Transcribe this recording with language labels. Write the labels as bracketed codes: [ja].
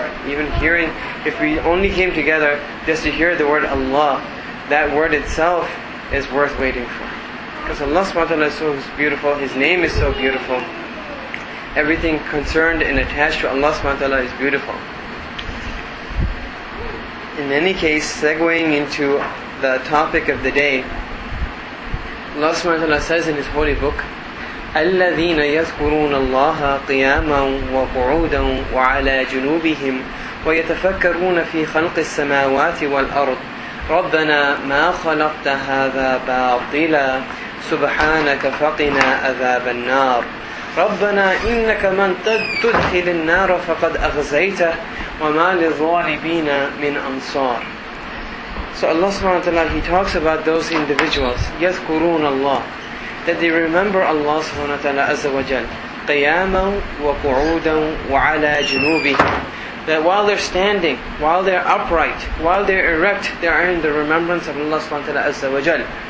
[en] Even hearing, if we only came together just to hear the word Allah, that word itself is worth waiting for. Because Allah subhanahu wa ta'ala is so beautiful, His name is so beautiful. Everything concerned and attached to Allah subhanahu wa ta'ala is beautiful. In any case, segueing into the topic of the day, Allah subhanahu wa ta'ala says in His holy book, [ar] أَلَّذِينَ يَذْكُرُونَ اللَّهَ قِيَامًا وَقُعُودًا وَعَلَى جُنُوبِهِمْ وَيَتَفَكَّرُونَ فِي خَلْقِ السَّمَاوَاتِ وَالْأَرْضِ رَبَّنَا مَا خَلَقْتَ هَذَا بَاطِلًا سُبْحَانَكَ فَقِنَا أَذَابَ النَّارِ رَبَّنَا إِنَّكَ مَنْ تُدْخِلِ النَّارَ فَقَدْ أَغْزَيْتَهُ وَمَا لِظَالِبِينَ مِنْ أَنصَارِ. [en] So Allah subhanahu wa ta'ala, He talks about those individuals, [ar] يَذْكُرُونَ اللَّهِ, [en] that they remember Allah subhanahu wa ta'ala azza wa jal, [ar] قِيَامًا وَقُعُودًا وَعَلَى جُنُوبِهِ, [en] that while they're standing, while they're upright, while they're erect, they are in the remembrance of Allah subhanahu wa ta'ala azza wa jal.